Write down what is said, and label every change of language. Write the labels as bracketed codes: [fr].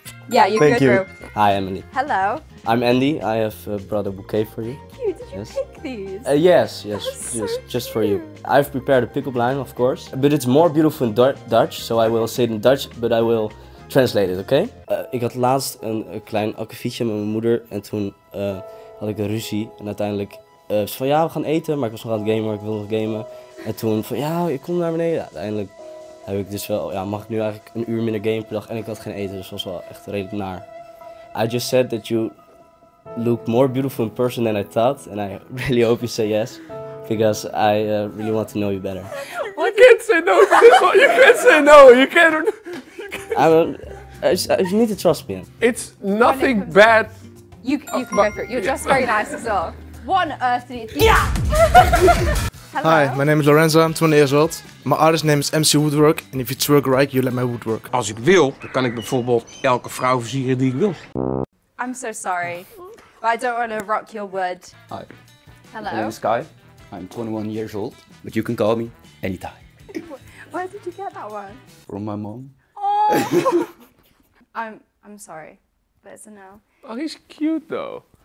[en] Yeah, you're thank good, you. Bro. Hi, Emily. Hello. I'm Andy. I have brought a bouquet for you. Thank you. Did you pick these? Yes. Just for you. I've prepared a pickup line, of course. But it's more beautiful in Dutch, so I will say it in Dutch, but I will... Translate it, okay? [nl] Ik had laatst een klein akkefietje met mijn moeder en toen had ik een ruzie. En uiteindelijk ze van ja, we gaan eten, maar ik was nog aan het gamen, ik wilde nog gamen. En toen van ja, ik kom naar beneden. Ja, uiteindelijk heb ik dus wel, ja, mag ik nu eigenlijk een uur minder gamen per dag en ik had geen eten, dus dat was wel echt redelijk naar. [en] I just said that you look more beautiful in person than I thought and I really hope you say yes. Because I really want to know you better. You can't say no to this one, you can't say no, you can't... You need to trust me. It's nothing bad. You can go through it. You're just very nice as well. What on earth did you... Yeah! Hi, my name is Lorenzo, I'm 20 years old. My artist name is MC Woodwork. And if you twerk right, you let my woodwork. [nl] Als ik wil, dan kan ik bijvoorbeeld elke vrouw versieren die ik wil. [en] I'm so sorry. But I don't want to rock your wood. Hi. Hello. My name is Kai. I'm 21 years old. But you can call me anytime. Where did you get that one? From my mom. I'm sorry, but it's a no. Oh, he's cute though.